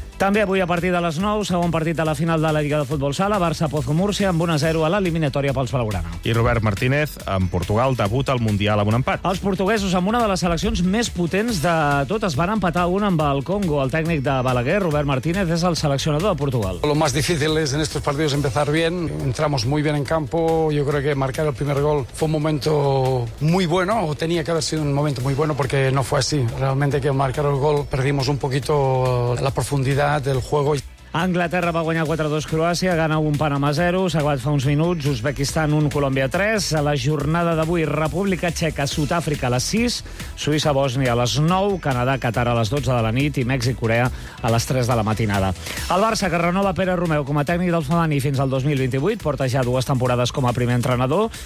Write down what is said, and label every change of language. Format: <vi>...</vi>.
<ca>També avui a partir de les 9, segon partit de la final de la Lliga de Futbol Sala, Barça-Pozo-Múrcia amb 1-0 a l'eliminatòria pels blaugrana. I Robert Martínez, en Portugal, debuta al Mundial amb un empat. Els portuguesos, amb una de les seleccions més potents de totes, van empatar un amb el Congo. El tècnic de Balaguer, Robert Martínez, és el seleccionador de Portugal.</ca> <es>Lo más difícil es en estos partidos empezar bien. Entramos muy bien en campo. Yo creo que marcar el primer gol fue un momento muy bueno, o tenía que haber sido un momento muy bueno, porque no fue así. Realmente que marcar el gol perdimos un poquito la profundidad del juego.</es> <ca>Anglaterra va guanyar 4-2 Croàcia, gana un Panamà 0, s'ha acabat fa uns minuts, Uzbekistan 1, Colòmbia 3, a la jornada d'avui República Txeca, Sud-àfrica a les 6, Suïssa-Bòsnia a les 9, Canadà-Qatar a les 12 de la nit i Mèxic-Corea a les 3 de la matinada. El Barça, que renova Pere Romeu com a tècnic del femení fins al 2028, porta ja dues temporades com a primer entrenador.</ca>